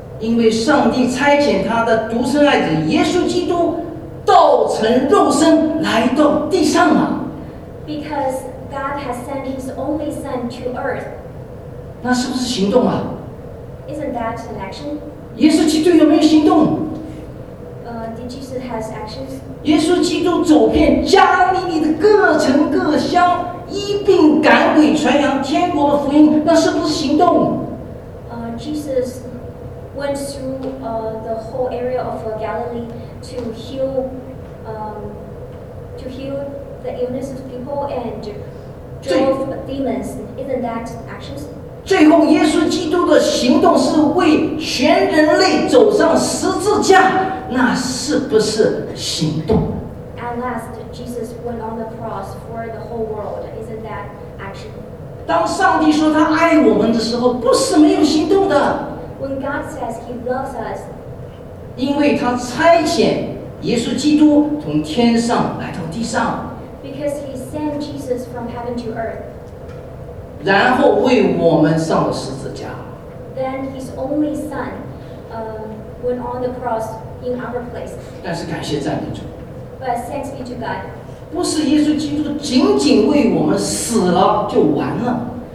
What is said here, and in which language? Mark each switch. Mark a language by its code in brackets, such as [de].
[zh] 因为上帝差遣他的独生爱子耶稣基督道成肉身来到地上了。 [en] Because God has sent his only son to earth. [zh] 那是不是行动啊？ [en] Isn't that an action? [zh] 耶稣基督有没有行动？ [en] Did Jesus have actions? [zh] 耶稣基督走遍加利利的各城各乡，医病赶鬼，传扬天国的福音，那是不是行动？ [en] Jesus went through the whole area of Galilee to heal, to heal the illness of people and drove demons. Isn't that actions? [zh] 最后，耶稣基督的行动是为全人类走上十字架。那是不是行动？ [en] At last, Jesus went on the cross for the whole world. Isn't that action? [zh] 当上帝说他爱我们的时候，不是没有行动的。 [en] When God says He loves us, [zh] 因为他差遣耶稣基督从天上来到地上。 [en] Because He sent Jesus from heaven to earth. [zh] 然后为我们上了十字架。 [en] Then His only Son, went on the cross. In our place. [zh] 但是感谢赞美主。 [en] But thanks be to God. [zh] 不是耶稣基督仅仅为我们死了就完了。